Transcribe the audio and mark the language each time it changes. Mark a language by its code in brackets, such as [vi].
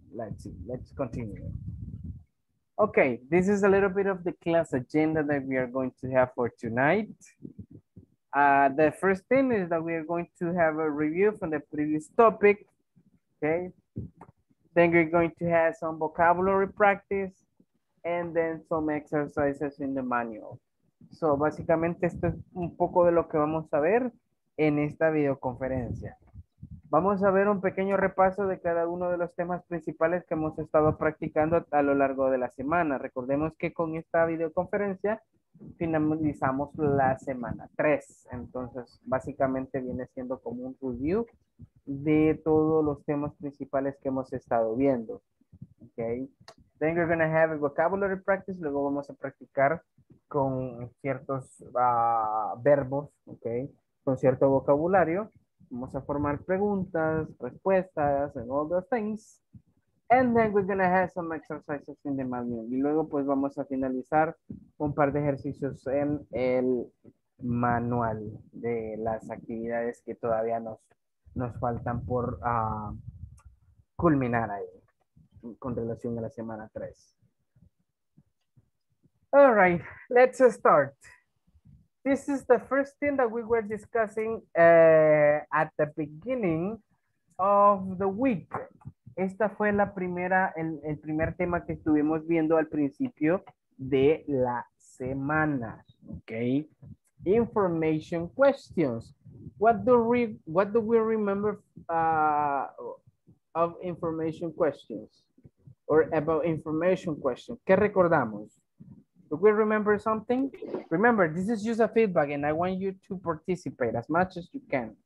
[en] Let's see, let's continue. Okay, this is a little bit of the class agenda that we are going to have for tonight. The first thing is that we are going to have a review from the previous topic, okay? Then we're going to have some vocabulary practice and then some exercises in the manual. [es] So, básicamente, esto es un poco de lo que vamos a ver en esta videoconferencia. Vamos a ver un pequeño repaso de cada uno de los temas principales que hemos estado practicando a lo largo de la semana. Recordemos que con esta videoconferencia finalizamos la semana 3. Entonces, básicamente viene siendo como un review de todos los temas principales que hemos estado viendo. [en] Okay. Then we're going to have a vocabulary practice. [es] Luego vamos a practicar con ciertos verbos, okay, con cierto vocabulario. Vamos a formar preguntas, respuestas, [en] and all the things. And then we're going to have some exercises in the manual. [es] Y luego pues vamos a finalizar un par de ejercicios en el manual de las actividades que todavía nos faltan por culminar ahí con relación a la semana 3. [en] All right, let's start. This is the first thing that we were discussing at the beginning of the week. [es] Esta fue la primera, el primer tema que estuvimos viendo al principio de la semana. [en] Okay. Information questions. What do we remember of information questions or about information questions? [es] ¿Qué recordamos? [en] Do we remember something? Remember, this is just a feedback and I want you to participate as much as you can.